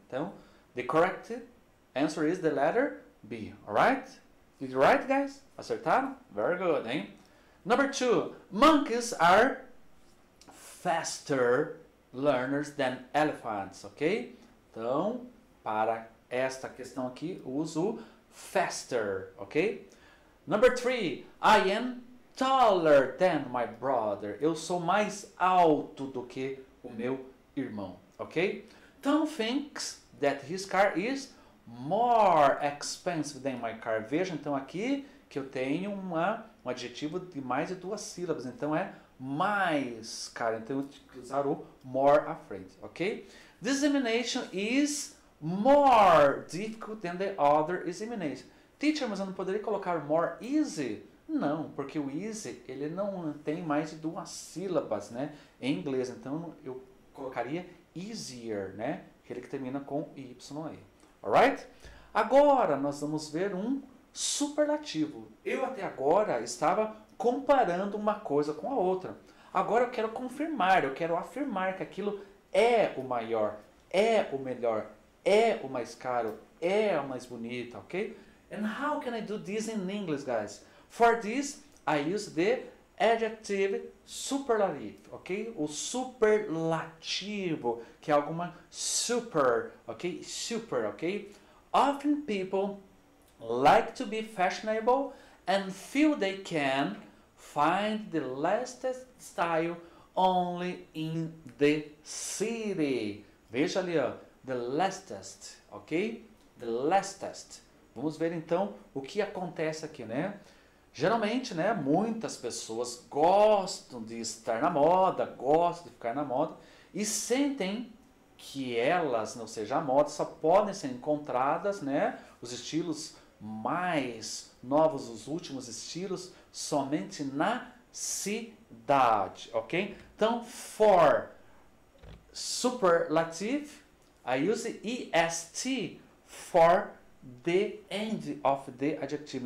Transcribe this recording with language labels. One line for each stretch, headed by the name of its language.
English: Então, the correct answer is the letter B, alright? Did you write, guys?
Portuguese: Acertaram?
English: Very good, hein? Number two, monkeys are faster learners than elephants, ok?
Portuguese: Então, para esta questão aqui, uso faster, ok?
English: Number three, I am taller than my brother.
Portuguese: Eu sou mais alto do que o meu irmão, ok?
English: Tom thinks that his car is more expensive than my car.
Portuguese: Veja então aqui que eu tenho um adjetivo de mais de duas sílabas. Então é mais caro. Então eu tenho que usar o more à frente, ok?
English: Dissemination is more difficult than the other examination.
Portuguese: Teacher, mas eu não poderia colocar more easy? Não, porque o easy ele não tem mais de duas sílabas, né? Em inglês. Então eu colocaria easier, né? Aquele que termina com Y aí. Alright? Agora nós vamos ver um superlativo. Eu até agora estava comparando uma coisa com a outra. Agora eu quero confirmar, eu quero afirmar que aquilo é o maior, é o melhor, é o mais caro, é o mais bonito, ok?
English: And how can I do this in English, guys? For this, I use the adjective superlative, ok?
Portuguese: O superlativo, que é alguma super, ok? Super, ok?
English: Often people like to be fashionable and feel they can find the latest style only in the city.
Portuguese: Veja ali, ó. The latest, ok? The latest. Vamos ver então o que acontece aqui, né? Geralmente, né, muitas pessoas gostam de estar na moda, gostam de ficar na moda e sentem que elas, ou seja, a moda, só podem ser encontradas, né, os estilos mais novos, os últimos estilos, somente na cidade, ok?
English: Então, for superlative, I use EST for the end of the adjective.